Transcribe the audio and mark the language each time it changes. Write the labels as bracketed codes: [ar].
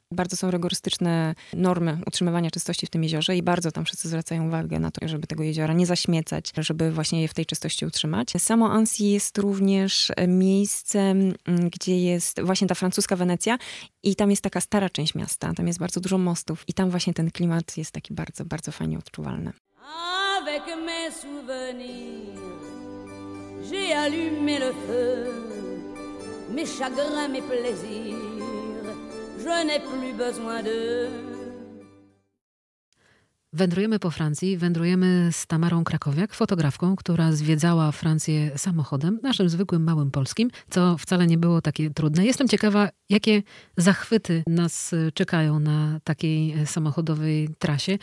[pl] Bardzo są rygorystyczne normy utrzymywania czystości w tym jeziorze i bardzo tam wszyscy zwracają uwagę na to, żeby tego jeziora nie zaśmiecać, żeby właśnie je w tej czystości utrzymać. Samo Annecy jest również miejscem, gdzie jest właśnie ta francuska Wenecja i tam jest taka stara część miasta, tam jest bardzo dużo mostów i tam właśnie ten klimat jest taki bardzo, bardzo fajnie odczuwalny. [fr] Avec mes souvenirs, j'ai allumé le feu. Mes chagrins, mes plaisirs, je n'ai plus besoin d'eux. [pl] Wędrujemy po Francji, wędrujemy z Tamarą Krakowiak, fotografką, która zwiedzała Francję samochodem, naszym zwykłym małym polskim, co wcale nie było takie trudne. Jestem ciekawa, jakie zachwyty nas czekają na takiej samochodowej trasie.